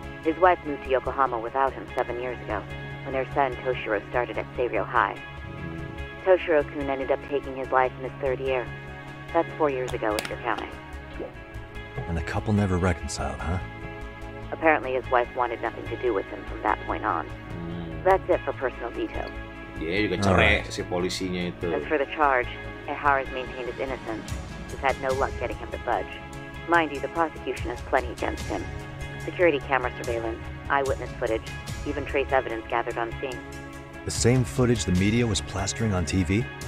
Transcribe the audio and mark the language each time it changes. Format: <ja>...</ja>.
<en>His wife moved to Yokohama without him 7 years ago, when their son Toshiro started at Seiryo High. Toshiro-kun ended up taking his life in his third year. That's 4 years ago, if you're counting. And the couple never reconciled, huh? Apparently, his wife wanted nothing to do with him from that point on. That's it for personal details.</en> <id>Yeah, juga cerai si polisinya itu.</id> <en>As for the charge, Ehara's maintained his innocence. He's had no luck getting him to budge. Mind you, the prosecution has plenty against him. Security camera surveillance, eyewitness footage, even trace evidence gathered on scene. The same footage the media was plastering on TV?</en>